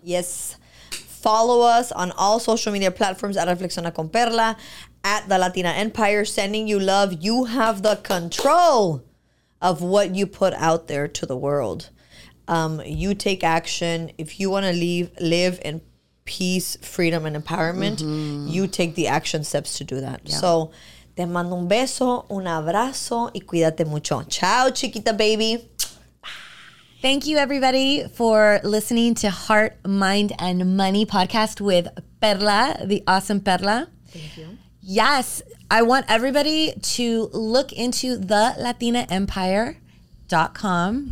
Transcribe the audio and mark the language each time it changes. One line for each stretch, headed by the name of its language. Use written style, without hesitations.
English: Yes. Follow us on all social media platforms at Reflexiona con Perla, at the Latina Empire, sending you love. You have the control of what you put out there to the world. You take action. If you want to live in peace, freedom, and empowerment, mm-hmm. you take the action steps to do that. Yeah.
Spanish: So, te mando un beso, un abrazo, y cuídate mucho. Chao, chiquita baby.
English: Thank you, everybody, for listening to Heart, Mind, and Money podcast with Perla, the awesome Perla. Thank you. Yes, I want everybody to look into thelatinaempire.com.